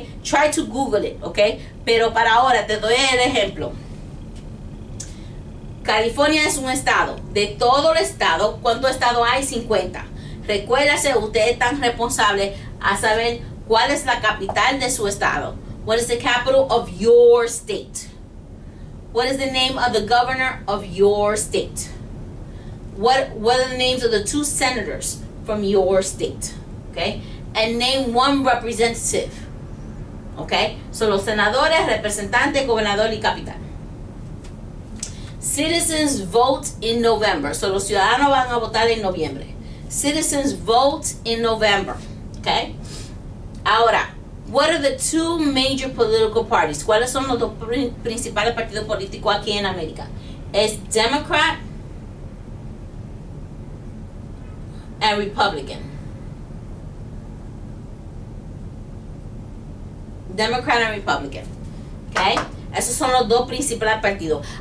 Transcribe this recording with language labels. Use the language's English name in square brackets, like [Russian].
[English] Try to Google it, [Spanish] ¿ok? Pero para ahora, te doy el ejemplo. California es un estado. De todo el estado, ¿cuánto estado hay? 50. Recuérdase, ustedes están responsables a saber cuál es la capital de su estado. [English] What is the capital of your state? What is the name of the governor of your state? What are the names of the two senators from your state? Okay? And name one representative. Okay? [Spanish] So los senadores, representante, gobernador y capital. [English] Citizens vote in November. [Spanish] So los ciudadanos van a votar en noviembre. [English] Citizens vote in November. Okay? Ahora, what are the two major political parties? [Spanish] ¿Cuáles son los dos principales partidos políticos aquí en América? Es Democrat and Republican. Democrat and Republican. Okay? Esos son los dos principales partidos.